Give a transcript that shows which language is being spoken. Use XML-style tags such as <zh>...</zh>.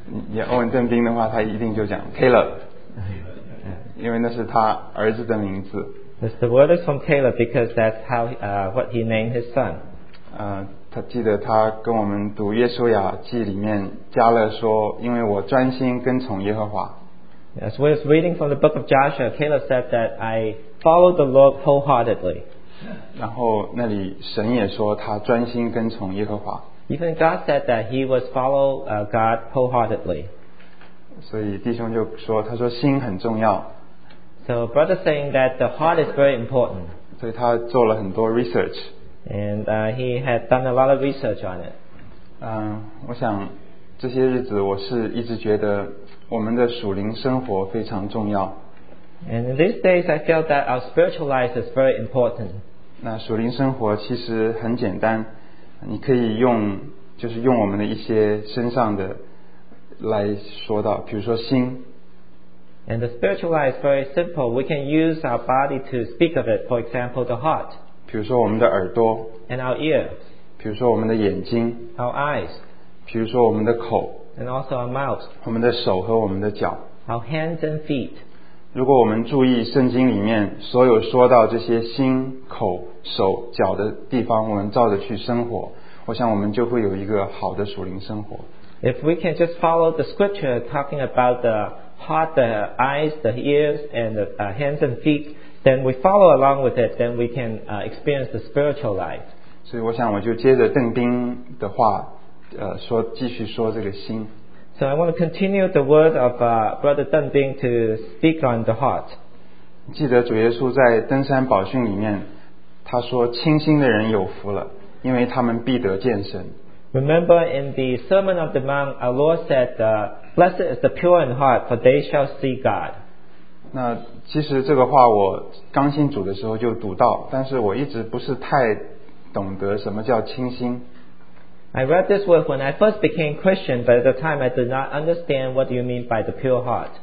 <zh>你要问邓丁的话，他一定就讲 Caleb， 因为那是他儿子的名字。</zh> <en>That's the word is from Caleb because that's how what he named his son.</en> <zh>他记得他跟我们读约书亚记里面加勒说，因为我专心跟从耶和华。</zh> <en>As we're reading from the book of Joshua, Caleb said that I followed the Lord wholeheartedly.</en> <zh>然后那里神也说他专心跟从耶和华。</zh> <en>Even God said that he was follow God wholeheartedly.</en> <zh>所以弟兄就说，他说心很重要。</zh> <en>So brother saying that the heart is very important.</en> <zh>所以他做了很多 research.</zh> <en>And he had done a lot of research on it.</en> <zh>我想这些日子我是一直觉得我们的属灵生活非常重要。</zh> <en>And in these days I felt that our spiritual life is very important.</en> <zh>那属灵生活其实很简单。你可以用就是用我们的一些身上的来说到，比如说心。</zh> <en>And the spiritual life is very simple. We can use our body to speak of it. For example, the heart.</en> <zh>比如说我们的耳朵。</zh> <en>And our ears.</en> <zh>比如说我们的眼睛。</zh> <en>Our eyes.</en> <zh>比如说我们的口。</zh> <en>And also our mouth.</en> <zh>我们的手和我们的脚。</zh> <en>Our hands and feet.</en> <zh>如果我们注意圣经里面所有说到这些心、口、手、脚的地方，我们照着去生活，我想我们就会有一个好的属灵生活。</zh> <en>If we can just follow the scripture talking about the heart, the eyes, the ears, and the hands and feet, then we follow along with it, then we can experience the spiritual life.</en> <zh>所以我想我就接着邓丁的话，说继续说这个心。</zh> <en>So I want to continue the word of Brother Deng Bing to speak on the heart.</en> <zh>记得主耶稣在登山宝训里面他说清心的人有福了，因为他们必得见神。</zh> <en>Remember in the Sermon of the Mount, our Lord said, Blessed is the pure in heart, for they shall see God.</en> <zh>那其实这个话我刚信主的时候就读到，但是我一直不是太懂得什么叫清心。</zh> <en>I read this word when I first became Christian, but at the time I did not understand what you mean by the pure heart.</en>